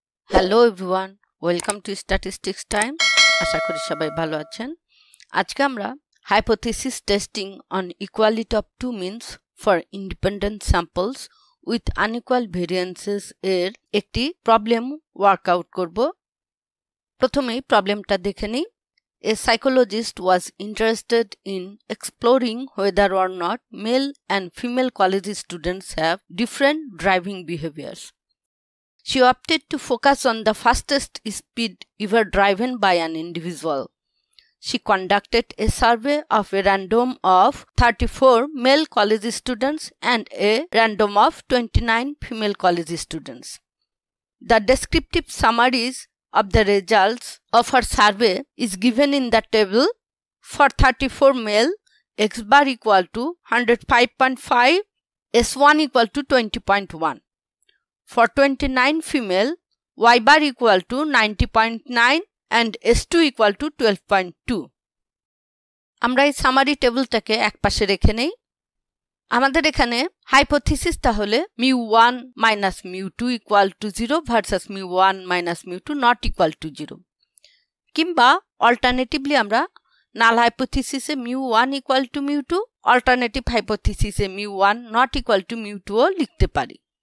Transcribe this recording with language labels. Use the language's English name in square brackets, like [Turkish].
[English] Hello everyone, welcome to statistics time. [Bangla] আশা করি সবাই ভালো আছেন। আজকে আমরা hypothesis testing on equality of two means for independent samples with unequal ভেরিয়েন্সেস এর একটি প্রবলেম ওয়ার্ক আউট করব। প্রথমেই প্রবলেমটা দেখে নিই। [English] A psychologist was interested in exploring whether or not male and female college students have different driving behaviors. She opted to focus on the fastest speed ever driven by an individual. She conducted a survey of a random of 34 male college students and a random of 29 female college students. The descriptive summaries of the results of her survey is given in the table. For 34 male, x bar equal to 105.5, s1 equal to 20.1. For 29 female, y bar equal to 90.9 and s2 equal to 12.2. [Bangla] আমরা এই summary টেবিলটাকে একপাশে রেখে নেই। আমাদের এখানে hypothesis তাহলে μ1 minus μ2 equal to zero versus μ1 minus μ2 not equal to zero, কিংবা alternatively আমরা নাল হাইপোথিসিসে μ1 equal to μ2, alternative হাইপোথিসিসে μ1 not equal to μ2ও লিখতে পারি।